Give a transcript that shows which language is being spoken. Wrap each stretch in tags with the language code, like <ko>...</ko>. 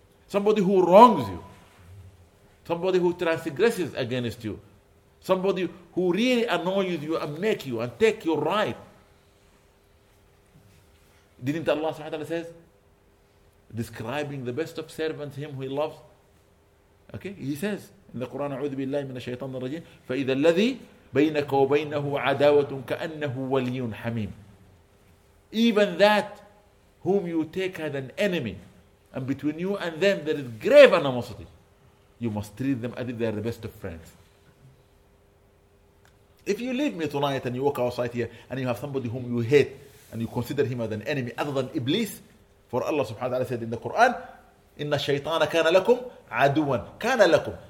<en>Somebody who wrongs you. Somebody who transgresses against you. Somebody who really annoys you and make you and take your right. Didn't Allah subhanahu wa ta'ala says, describing the best of servants, him who he loves? Okay, he says, in the Quran,</en> <ar>أعوذ بالله من الشيطان الرجيم فإذا الذي بينك وبينه عداوة كأنه ولي حميم.</ar> <en>Even that whom you take as an enemy, and between you and them there is grave animosity, you must treat them as if they are the best of friends. If you leave me tonight and you walk outside here and you have somebody whom you hate and you consider him as an enemy other than Iblis, for Allah subhanahu wa ta'ala said in the Quran,</en> <ar>إِنَّ الشَّيْطَانَ كَانَ لَكُمْ عَدُوًا كَانَ لَكُمْ.</ar>